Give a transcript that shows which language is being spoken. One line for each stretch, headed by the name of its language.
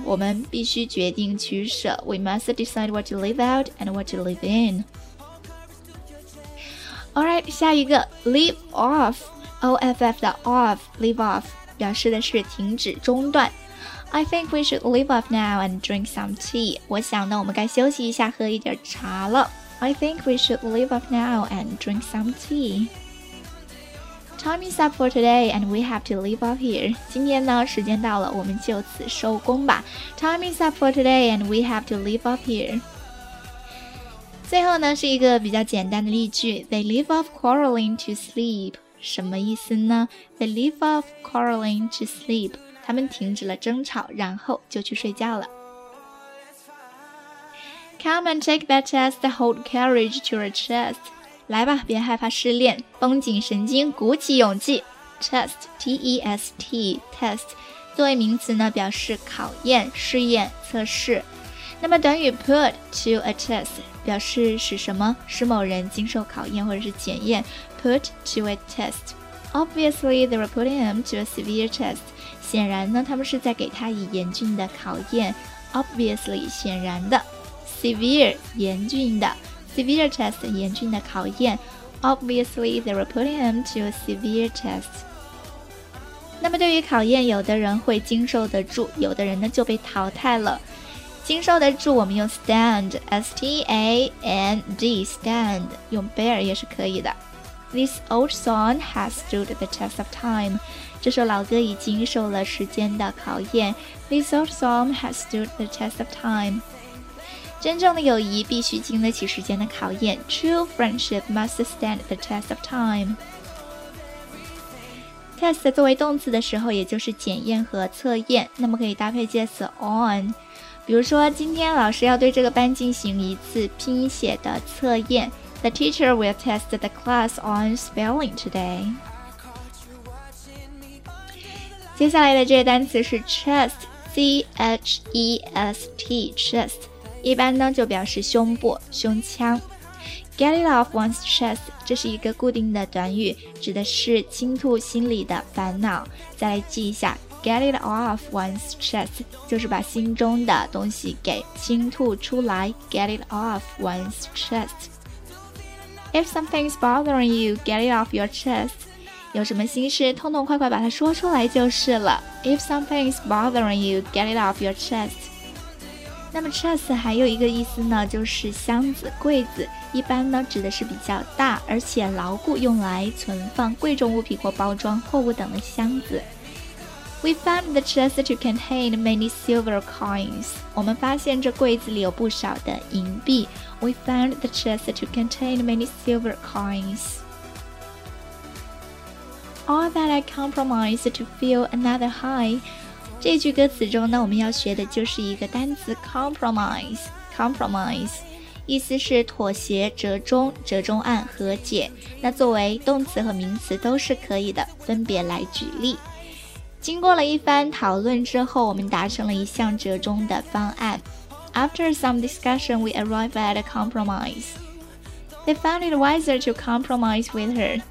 Chinese: 我们必须决定取舍。
English: We must decide what to leave out and what to leave in. Alright,
Chinese: 下一个 leave off. O-F-F 的 off, leave off, 表示的是停止、中断。
English: I think we should leave off now and drink some tea.
Chinese: 我想呢，我们该休息一下，喝一点茶了。
English: I think we should leave off now and drink some tea. Time is up for today, and we have to leave off here.
Chinese: 今天呢，时间到了，我们就此收工吧。
English: Time is up for today, and we have to leave off here.
Chinese: 最后呢，是一个比较简单的例句。
English: They leave off quarreling to sleep.
Chinese: 什么意思呢？
English: They leave off quarreling to sleep.
Chinese: 他们停止了争吵，然后就去睡觉了。
English: Come and take that test, hold courage to your chest.
Chinese: 来吧，别害怕失恋，绷紧神经，鼓起勇气。 Test, T-E-S-T, test, 作为名词呢，表示考验、试验、测试。那么短语 put to a test 表示使什么，使某人经受考验或者是检验。
English: Put to a test. Obviously, they were putting him to a severe test.
Chinese: 显然呢，他们是在给他以严峻的考验。 Obviously, 显然的。Severe, 严峻的。 Severe test, 严峻的考验。
English: Obviously, they were putting him to a severe test.
Chinese: 那么对于考验，有的人会经受得住，有的人呢就被淘汰了。经受得住，我们用 stand, S-T-A-N-D, stand, 用 bear 也是可以的。
English: This old song has stood the test of time.
Chinese: 这首老歌已经受了时间的考验。
English: This old song has stood the test of time.
Chinese: 真正的友谊必须经得起时间的考验。
English: True friendship must stand the test of time.
Chinese: Test 作为动词的时候，也就是检验和测验，那么可以搭配介词 on。比如说，今天老师要对这个班进行一次拼写的测验。
English: The teacher will test the class on spelling today.
Chinese: 接下来的这个单词是 chest, C-H-E-S-T, chest. 一般呢就表示胸部、胸腔。
English: Get it off one's chest，
Chinese: 这是一个固定的短语，指的是倾吐心里的烦恼。再来记一下，
English: Get it off one's chest，
Chinese: 就是把心中的东西给倾吐出来。
English: Get it off one's chest. If something's bothering you, get it off your chest.
Chinese: 有什么心事，痛痛快快把它说出来就是了。
English: If something's bothering you, get it off your chest.
Chinese: 那么 chest 还有一个意思呢，就是箱子、柜子，一般呢指的是比较大而且牢固，用来存放贵重物品或包装货物等的箱子。
English: We found the chest to contain many silver coins.
Chinese: 我们发现这柜子里有不少的银币。
English: We found the chest to contain many silver coins. All that I compromise to fill another high.
Chinese: 这句歌词中呢，我们要学的就是一个单词 compromise。 compromise 意思是妥协、折中、折中案、和解。那作为动词和名词都是可以的，分别来举例。经过了一番讨论之后，我们达成了一项折中的方案。
English: After some discussion, we arrive at a compromise. They found it wiser to compromise with her.